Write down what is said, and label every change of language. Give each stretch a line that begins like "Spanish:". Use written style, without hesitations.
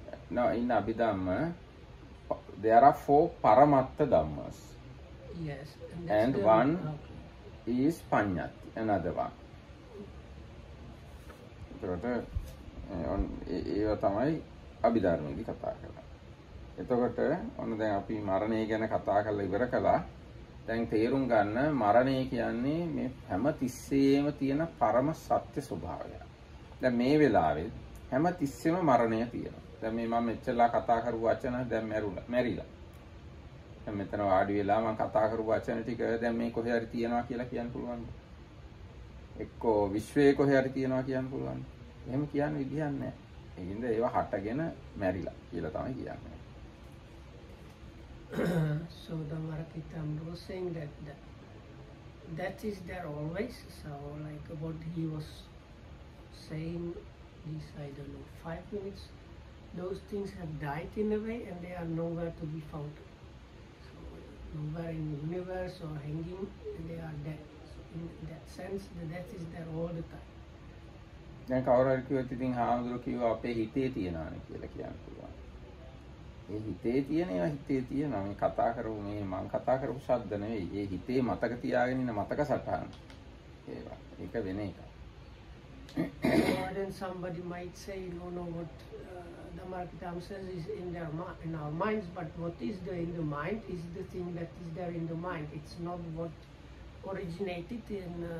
English: Now in Abhidhamma, there are four paramattha dhammas. Yes, and one is Panyati, another one.
Sinhala: එතකොට ඒව තමයි අභිධර්මයේදී කතා කරලා. එතකොට ඔන්න දැන් අපි මරණය ගැන කතා කරලා ඉවර කළා. දැන් තේරුම් ගන්න මරණය කියන්නේ මේ හැම තිස්සෙම තියෙන පරම සත්‍ය ස්වභාවය. දැන් මේ වෙලාවේ හැම තිස්සෙම මරණය තියෙනවා. දැන් මේ මම මෙච්චරලා කතා කරපු වචන දැන් මැරිලා. දැන් මෙතන වාඩි වෙලා මම කතා කරපු වචන ටික දැන් මේ කොහේ හරි තියෙනවා කියලා කියන්න පුළුවන්. එක්කෝ විශ්වයේ කොහේ හරි තියෙනවා කියන්න පුළුවන්. එහෙම කියන්න විදිහක් නැහැ. ඒ හින්දා ඒවා හටගෙන මැරිලා කියලා තමයි කියන්නේ.
English: So the Marakitam was saying that that is there always. So like what he was saying, this I don't know, 5 minutes, those things have died in a way and they are nowhere to be found. So nowhere in the universe or hanging, they are dead. So in that sense, the death is there all the time.
Sinhala: දැන් කවුරු හරි කිව්වත් ඉතින් හාමුදුරුවෝ කිව්වා අපේ හිතේ තියනානේ කියලා කියන්න පුළුවන්. ඒ හිතේ තියෙන ඒවා හිතේ තියෙන මේ කතා කරපු මේ මං කතා කරපු ශබ්ද නෙවෙයි. ඒ හිතේ මතක තියාගෙන ඉන්න මතක සටහන. ඒවා. ඒක වෙන එකක්.
English: Then somebody might say, you don't know what the Marakitam says is in their in our minds, but what is there in the mind is the thing that is there in the mind. It's not what originated in